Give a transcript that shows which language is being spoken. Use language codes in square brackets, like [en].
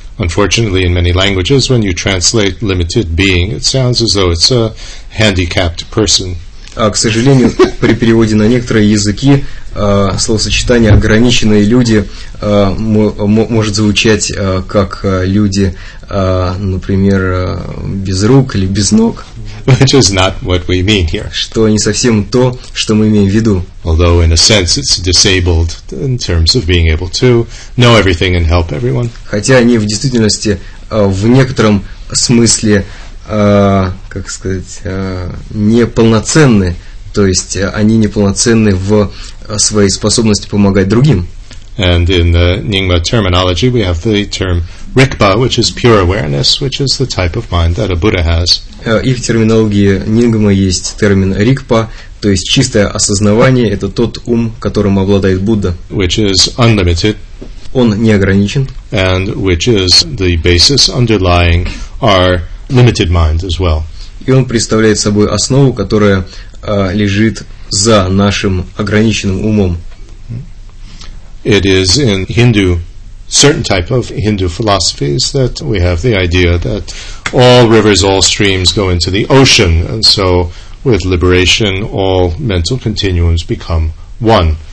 [en] Unfortunately, in many languages, when you translate limited being, it sounds as though it's a handicapped person. [ru] К сожалению, при переводе на некоторые языки словосочетание «ограниченные люди» может звучать как люди, например, без рук или без ног. [en] Which is not what we mean here. [ru] Что не совсем то, что мы имеем в виду. [en] Although in a sense it's disabled in terms of being able to know everything and help everyone. [ru] Хотя они в действительности в некотором смысле, как сказать, неполноценны, то есть они неполноценны в своей способности помогать другим. [en] And in the Nyingma terminology we have the term rikpa, which is pure awareness, which is the type of mind that a Buddha has. [ru] И в терминологии Нингма есть термин рикпа, то есть чистое осознавание, это тот ум, которым обладает Будда. [en] Which is unlimited. [ru] Он не ограничен. [en] And which is the basis underlying our limited mind as well. [ru] И он представляет собой основу, которая лежит за нашим ограниченным умом. [en] It is in Hindu, certain type of Hindu philosophies, that we have the idea that all rivers, all streams go into the ocean, and so with liberation all mental continuums become one.